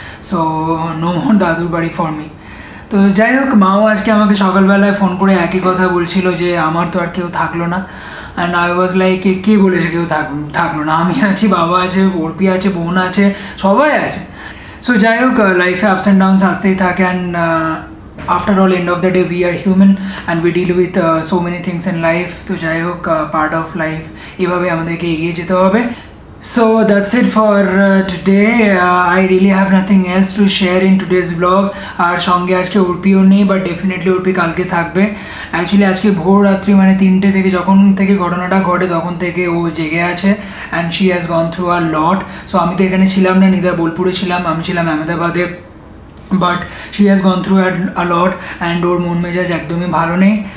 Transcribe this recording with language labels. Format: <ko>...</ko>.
<bn>So no more দাদুর বাড়ি for me. তো যাই হোক, মাও আজকে আমাকে সকালবেলায় ফোন করে একই কথা বলছিলো যে আমার তো আর কেউ থাকলো না,</bn> <en>and I was like</en> <bn>কে বলেছে কেউ থাকলো না, আমি আছি, বাবা আছে, অর্পি আছে, বোন আছে, সবাই আছে।</bn> <en>so</en> <bn>যাই হোক,</bn> <en>লাইফে ups and downs</en> <bn>আসতেই থাকে,</bn> <en>And after all end of the day we are human and we deal with so many things in life.</en> <bn>তো যাই হোক, পার্ট অফ লাইফ, এভাবে আমাদেরকে এগিয়ে যেতে হবে।</bn> <en>So that's it for today. I really have nothing else to share in today's vlog.</en> <bn>আর সঙ্গে আজকে অর্পিও নেই, বাট ডেফিনেটলি অর্পি কালকে থাকবে। অ্যাকচুয়ালি আজকে ভোর রাত্রি মানে 3টে থেকে যখন থেকে ঘটনাটা ঘটে তখন থেকে ও জেগে আছে,</bn> <en>And she has gone through a lot.</en> <bn>So আমি তো এখানে ছিলাম না, নিদার বোলপুরে ছিলাম, আমি ছিলাম আহমেদাবাদে,</bn> <en>but she has gone through a lot</en> <bn>and ওর মন মেজাজ একদমই ভালো নেই।</bn>